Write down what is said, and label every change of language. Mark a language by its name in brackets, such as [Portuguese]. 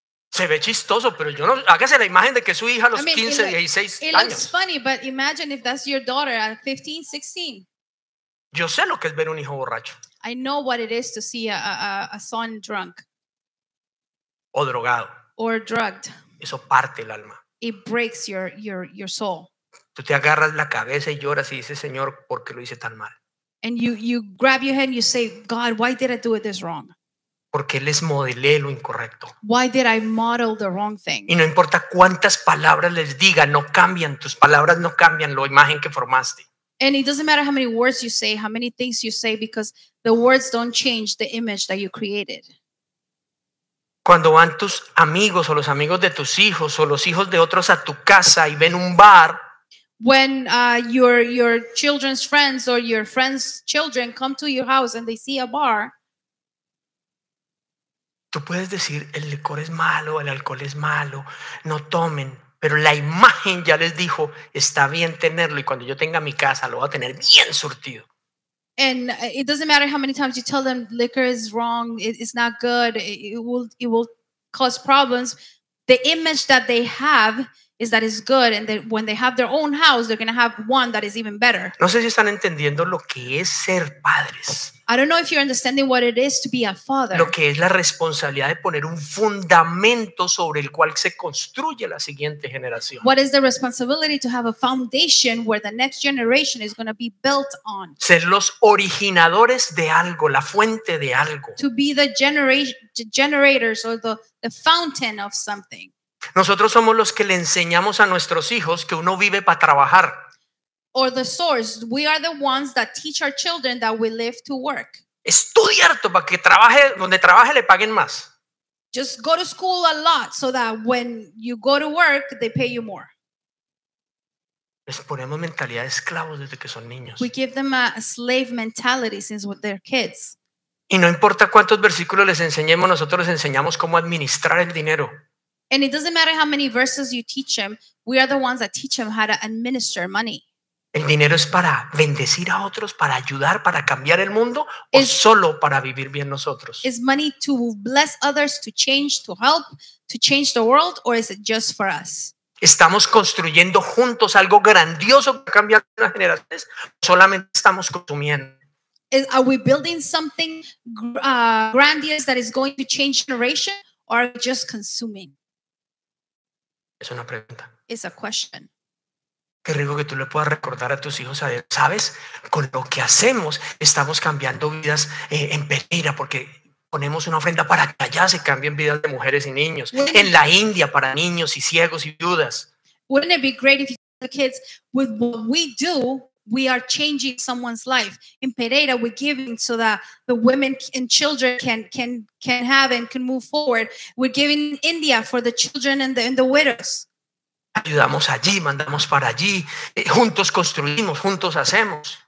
[Spanish] Se ve chistoso, pero yo no, hágase la imagen de que es su hija a los 15, 16 años. [English] It looks funny, but imagine if that's your daughter at 15, 16. [Spanish] Yo sé lo que es ver un hijo borracho. [English] I know what it is to see a son drunk. [Spanish] O drogado. [English] Or drugged. [Spanish] Eso parte el alma. [English] It breaks your soul. [Spanish] Tú te agarras la cabeza y lloras y dices, Señor, ¿por qué lo hice tan mal? [English] And you grab your head and you say, God, why did I do it this wrong? [Spanish] Porque les modelé lo incorrecto. [English] Why did I model the wrong thing? [Spanish] Y no importa cuántas palabras les diga, no cambian. Tus palabras no cambian la imagen que formaste. [English] And it doesn't matter how many words you say, how many things you say, because the words don't change the image that you created. [Spanish] Cuando van tus amigos o los amigos de tus hijos o los hijos de otros a tu casa y ven un bar. [English] When your children's friends or your friends' children come to your house and they see a bar. [Spanish] Tú puedes decir el licor es malo, el alcohol es malo, no tomen. Pero la imagen ya les dijo está bien tenerlo y cuando yo tenga mi casa lo voy a tener bien surtido. [English] And it doesn't matter how many times you tell them liquor is wrong, it's not good, it will cause problems. The image that they have is that it's good, and that when they have their own house, they're going to have one that is even better. [Spanish] No sé si están entendiendo lo que es ser padres. [English] I don't know if you're understanding what it is to be a father. [Spanish] Lo que es la responsabilidad de poner un fundamento sobre el cual se construye la siguiente generación. [English] What is the responsibility to have a foundation where the next generation is going to be built on? [Spanish] Ser los originadores de algo, la fuente de algo. [English] To be the generators or the fountain of something. [Spanish] Nosotros somos los que le enseñamos a nuestros hijos que uno vive para trabajar. [English] Or the source, we are the ones that teach our children that we live to work. [Spanish] Estudia harto para que trabaje, donde trabaje le paguen más. [English] Just go to school a lot so that when you go to work, they pay you more. [Spanish] Les ponemos mentalidad de esclavos desde que son niños. [English] We give them a slave mentality since they're kids. [Spanish] Y no importa cuántos versículos les enseñemos, nosotros les enseñamos cómo administrar el dinero. [English] And it doesn't matter how many verses you teach them, we are the ones that teach them how to administer money. [Spanish] ¿El dinero es para bendecir a otros, para ayudar, para cambiar el mundo, o solo para vivir bien nosotros? [English] Is money to bless others, to change, to help, to change the world, or is it just for us? [Spanish] ¿Estamos construyendo juntos algo grandioso para cambiar las generaciones? Solamente estamos consumiendo. [English] Are we building something grandiose that is going to change generation, or are we just consuming? [Spanish] Es una pregunta. [English] It's a question. [Spanish] Qué rico que tú le puedas recordar a tus hijos, ¿sabes? Con lo que hacemos, estamos cambiando vidas en Pereira, porque ponemos una ofrenda para que allá se cambien vidas de mujeres y niños. En la India, para niños y ciegos y viudas. [English] Wouldn't it be great if you tell the kids, with what we do, we are changing someone's life. In Pereira, we're giving so that the women and children can have and can move forward. We're giving India for the children and the widows. [Spanish] Ayudamos allí, mandamos para allí, juntos construimos, juntos hacemos.